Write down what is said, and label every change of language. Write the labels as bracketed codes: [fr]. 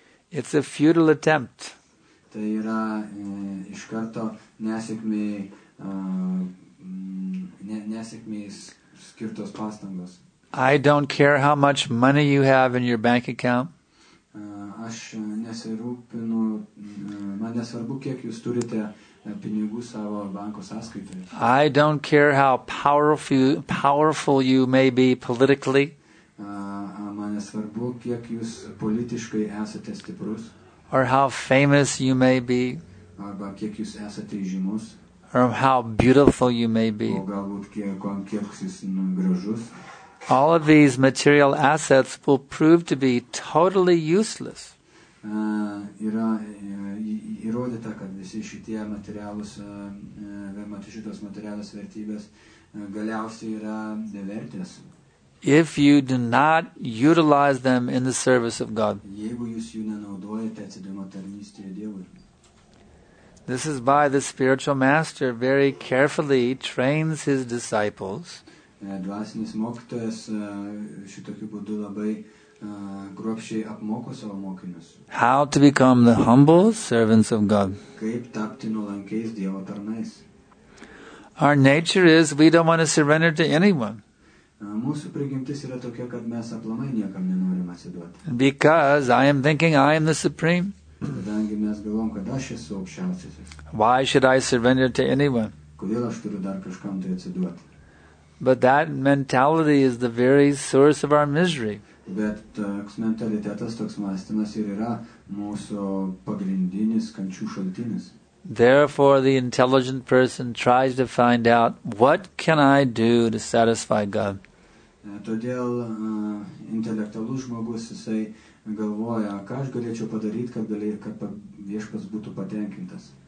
[en] It's a futile attempt. [lt] Tai yra iš karto nesėkmės skirtos pastangos. [en] I don't care how much money you have in your bank account. [lt] Aš nesirūpinu, man nesvarbu, kiek jūs turite pinigų savo banko sąskaitoje. [en] I don't care how powerful you may be politically. [lt] Man nesvarbu, kiek jūs politiškai esate stiprus. [en] Or how famous you may be. [lt] Arba kiek jūs esate žymus. [en] Or how beautiful you may be. [lt] O galbūt kiek jūs gražus. [en] All of these material assets will prove to be totally useless. [lt] Įrodyta, kad visi šitie materialios vertybės galiausiai yra nevertės. [en] If you do not utilize them in the service of God. [lt] Jeigu jūs jų nenaudojate atsidėjimo tarnystėje Dievui. [en] This is why the spiritual master very carefully trains his disciples. [lt] Dvasinis mokytojas šitokiu būdu labai kruopščiai apmoko savo mokinius. [en] How to become the humble servants of God. [lt] Kaip tapti nuolankiais Dievo tarnais. [en] Our nature is we don't want to surrender to anyone. [lt] Mūsų prigimtis yra tokia, kad mes aplamai niekam nenorim atsiduoti. [en] Because I am thinking I am the supreme. [lt] Kadangi mes galvom, kad aš esu aukščiausiasis. [en] Why should I surrender to anyone? [lt] Kodėl aš turiu dar kažkam tai atsiduoti? [en] But that mentality is the very source of our misery. [lt] Bet toks mentalitetas, toks mąstymas ir yra mūsų pagrindinis kančių šaltinis. [en] Therefore, the intelligent person tries to find out, what can I do to satisfy God? [lt] Todėl intelektualus žmogus, jisai galvoja, ką aš galėčiau padaryti, kad Viešpats būtų patenkintas.